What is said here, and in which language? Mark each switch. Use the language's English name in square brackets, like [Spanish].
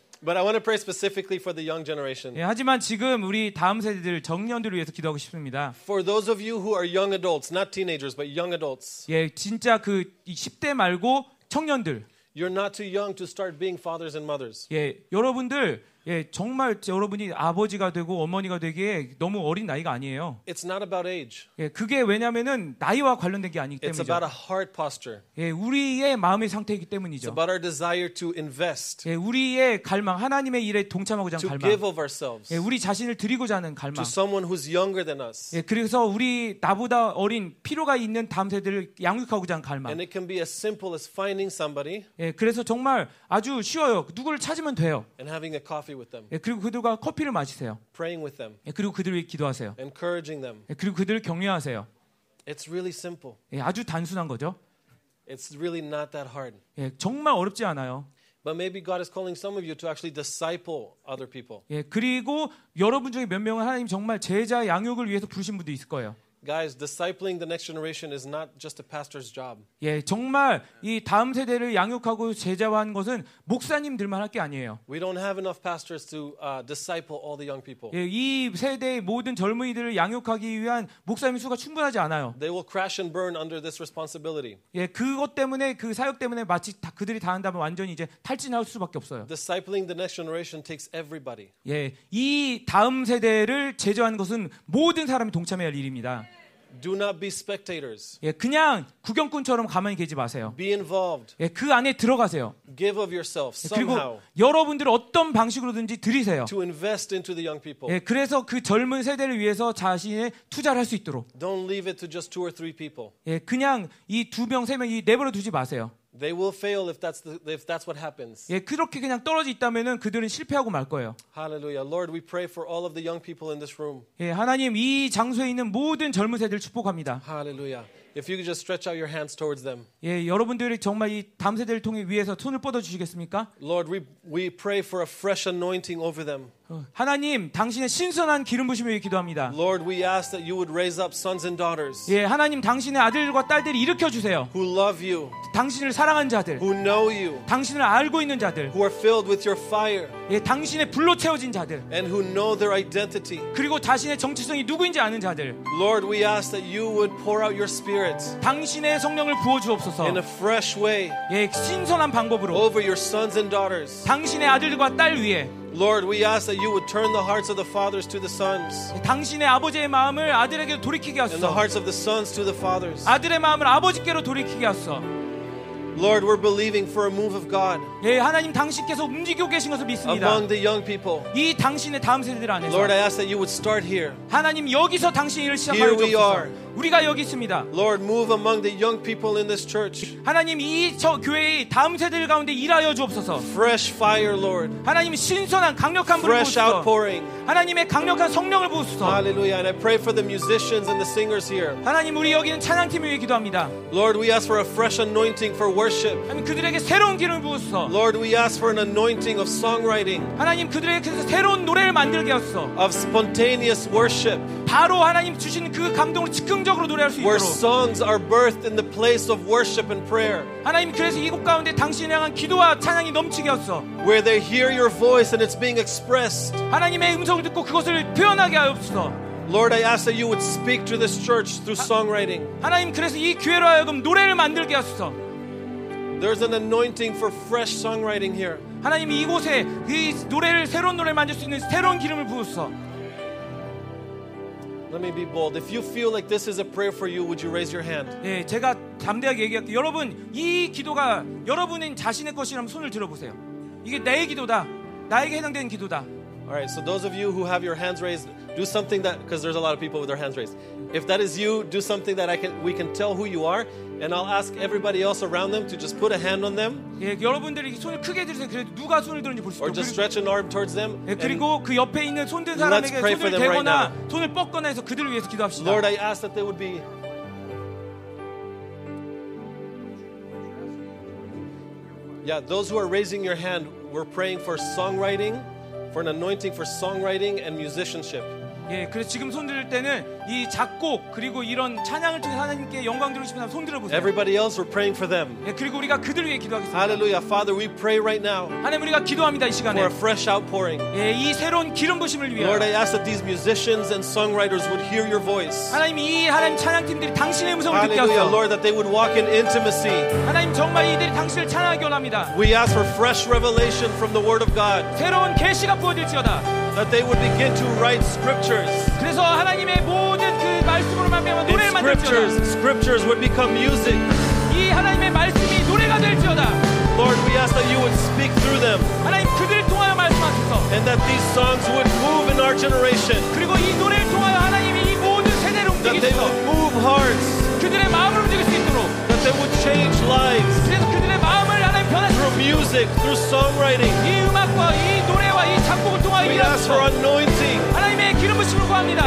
[English] But I want to pray specifically for the young generation. [Korean] 예, 하지만 지금 우리 다음 세대들 청년들을 위해서 기도하고 싶습니다. [English] For those of you who are young adults, not teenagers, but young adults. [Korean] 예, 진짜 그 10대 말고 청년들. [English] You're not too young to start being fathers and mothers. [Korean] 예, 여러분들 예, 정말 여러분이 아버지가 되고 어머니가 되기에 너무 어린 나이가 아니에요. [English] It's not about age. [Korean] 예, 그게 왜냐면은 나이와 관련된 게 아니기 때문이죠. [English] It's about a heart posture. [Korean] 예, 우리의 마음의 상태이기 때문이죠. [English] It's about our desire to invest. [Korean] 예, 우리의 갈망, 하나님의 일에 동참하고자 하는 갈망. [English] To give of ourselves. [Korean] 예, 우리 자신을 드리고자 하는 갈망. [English] To someone who's younger than us. [Korean] 예, 그래서 우리 나보다 어린 필요가 있는 다음 세대를 양육하고자 하는 갈망. [English] And it can be as simple as finding somebody. [Korean] 예, 그래서 정말 아주 쉬워요. 누구를 찾으면 돼요. [English] And having a coffee. With them. [Korean] 예, 그리고 그들과 커피를 마시세요. [English] Praying with them. [Korean] 예, 그리고 그들을 기도하세요. [English] Encouraging them. [Korean] 예, 그리고 그들을 격려하세요. [English] It's really simple. [Korean] 예, 아주 단순한 거죠. [English] It's really not that hard. [Korean] 예, 정말 어렵지 않아요. [English] But maybe God is calling some of you to actually disciple other people. [Korean] 예, 그리고 여러분 중에 몇 명은 하나님 정말 제자 양육을 위해서 부르신 분도 있을 거예요. [English] Guys, discipling the next generation is not just a pastor's job. [Korean] 예, 정말 이 다음 세대를 양육하고 제자화한 것은 목사님들만 할 게 아니에요. [English] We don't have enough pastors to disciple all the young people. [Korean] 예, 이 세대의 모든 젊은이들을 양육하기 위한 목사님 수가 충분하지 않아요. [English] They will crash and burn under this responsibility. [Korean] 예, 그것 때문에 그 사역 때문에 마치 다, 그들이 다 한다면 완전히 이제 탈진할 수밖에 없어요. [English] Discipling the next generation takes everybody. [Korean] 예, 이 다음 세대를 제자화한 것은 모든 사람이 동참해야 할 일입니다. [English] Do not be spectators. [Korean] 예, 그냥 구경꾼처럼 가만히 계지 마세요. [English] Be involved. [Korean] 예, 그 안에 들어가세요. [English] Give of yourself somehow. [Korean] 그리고 여러분들 어떤 방식으로든지 드리세요. [English] To invest into the young people. [Korean] 예, 그래서 그 젊은 세대를 위해서 자신의 투자를 할 수 있도록. [English] Don't leave it to just two or three people. [Korean] 예, 그냥 이 두 명, 세 명이 내버려 두지 마세요. [English] They will fail if that's the, if that's what happens. [Korean] 예, 그렇게 그냥 떨어져 있다면은 그들은 실패하고 말 거예요. [English] Hallelujah, Lord, we pray for all of the young people in this room. [Korean] 예, 하나님 이 장소에 있는 모든 젊은 세대를 축복합니다. [English] Hallelujah, if you could just stretch out your hands towards them. [Korean] 예, 여러분들이 정말 이 다음 세대를 통해 위해서 손을 뻗어 주시겠습니까? [English] Lord, we pray for a fresh anointing over them. [Korean] 하나님, 당신의 신선한 기름 부심을 위해 기도합니다. [English] Lord, we ask that you would raise up sons and daughters. [Korean] 예, 하나님, 당신의 아들과 딸들이 일으켜 주세요. [English] Who love you. [Korean] 당신을 사랑한 자들. [English] Who know you. [Korean] 당신을 알고 있는 자들. [English] Who are filled with your fire. [Korean] 예, 당신의 불로 채워진 자들. [English] And who know their identity. [Korean] 그리고 자신의 정체성이 누구인지 아는 자들. [English] Lord, we ask that you would pour out your spirit. [Korean] 당신의 성령을 부어 주옵소서. [English] In a fresh way. [Korean] 예, 신선한 방법으로. [English] Over your sons and daughters. [Korean] 당신의 아들과 딸 위에. [English] Lord, we ask that you would turn the hearts of the fathers to the sons. [Korean] 당신의 아버지의 마음을 아들에게 돌이키게 하소서. [English] And the hearts of the sons to the fathers. [Korean] 아들의 마음을 아버지께로 돌이키게 하소서. [English] Lord, we're believing for a move of God. [Korean] 예, 하나님 당신께서 움직이고 계신 것을 믿습니다. [English] Among the young people. [Korean] 이 당신의 다음 세대들 안에서. [English] Lord, I ask that you would start here. [Korean] 하나님 여기서 당신 일을 시작하게 하소서. [English] Here we are. [Korean] 우리가 여기 있습니다. [English] Lord, move among the young people in this church. [Korean] 하나님 이 저 교회의 다음 세대들 가운데 일하여 주옵소서. [English] Fresh fire, Lord. [Korean] 하나님 신선한 강력한 불을 부으소서. [English] Fresh outpouring. [Korean] 하나님의 강력한 성령을 부으소서. [English] Hallelujah. And I pray for the musicians and the singers here. [Korean] 하나님 우리 여기는 찬양팀 위해 기도합니다. [English] Lord, we ask for a fresh anointing for worship. [Korean] 하나님 그들에게 새로운 기름을 부으소서. [English] Lord, we ask for an anointing of songwriting. [Korean] 하나님 그들에게 그 새로운 노래를 만들게 하소서. [English] Of spontaneous worship. [Korean] 바로 하나님 주신 그 감동을 즉흥 [English] Where songs are birthed in the place of worship and prayer. [Korean] 하나님 그래서 이곳 가운데 당신을 향한 기도와 찬양이 넘치게 하소서. [English] Where they hear your voice and it's being expressed. [Korean] 하나님의 음성을 듣고 그것을 표현하게 하옵소서. [English] Lord, I ask that you would speak to this church through songwriting. [Korean] 하나님 그래서 이 교회로 하여금 노래를 만들게 하소서. [English] There's an anointing for fresh songwriting here. [Korean] 하나님 이곳에 이 노래를 새로운 노래 만들 수 있는 새로운 기름을 부으소서. [English] Let me be bold. If you feel like this is a prayer for you, would you raise your hand? [Korean] 예, 제가 담대하게 얘기할게요. 여러분, 이 기도가 여러분인 자신의 것이라면 손을 들어보세요. 이게 내 기도다. 나에게 해당되는 기도다. [English] All right. So those of you who have your hands raised, do something that because there's a lot of people with their hands raised. If that is you, do something that I can we can tell who you are, and I'll ask everybody else around them to just put a hand on them. [Korean] 예, 여러분들이 손을 크게 들으세요. 그래도 누가 손을 드는지 볼 수 있고. [English] Or just stretch an arm towards them. [Korean] 예, 그리고 그 옆에 있는 손 든 사람에게 손을 대거나 손을 뻗거나 해서 그들을 위해서 기도합시다. [English] Lord, I ask that they would be. Yeah, those who are raising your hand, we're praying for songwriting. For an anointing for songwriting and musicianship. [Korean] 예, 그래서 지금 손 들을 때는 이 작곡 그리고 이런 찬양을 통해 하나님께 영광 드리고 싶은 사람 손 들어보세요. [English] Everybody else, we're praying for them. [Korean] 예, 그리고 우리가 그들 위해 기도하겠습니다. [English] Hallelujah, Father, we pray right now. [Korean] 하나님 우리가 기도합니다 이 시간에. [English] For a fresh outpouring. [Korean] 예, 이 새로운 기름 부심을 위해. [English] Lord, I ask that these musicians and songwriters would hear your voice. [Korean] 하나님 이 하나님 찬양팀들이 당신의 음성을 듣게 하소서. [English] Hallelujah, Lord, that they would walk in intimacy. [Korean] 하나님 정말 이들이 당신을 찬양하기 원합니다. [English] We ask for fresh revelation from the Word of God. [Korean] 새로운 계시가 부어질지어다. [English] That they would begin to write scriptures. [Korean] 그래서 하나님의 모든 그 말씀으로만 배워 노래를 만들지어다. [English] Scriptures, scriptures would become music. [Korean] 이 하나님의 말씀이 노래가 될지어다. [English] Lord, we ask that you would speak through them. [Korean] 하나님 그들을 통하여 말씀하소서. [English] And that these songs would move in our generation. [Korean] 그리고 이 노래를 통하여 하나님이 이 모든 세대를 움직이소서. [English] That they would move hearts. [Korean] 그들의 마음을 움직일 수 있도록. [English] That they would change lives. [Korean] 그래서 그들의 마음을 하나님 변화시키소서. [English] Through music, through songwriting. [Korean] 이 음악과 이 노래와 이 작곡을 통하여 [English] We ask for anointing. [Korean] 하나님의 기름 부심을 구합니다.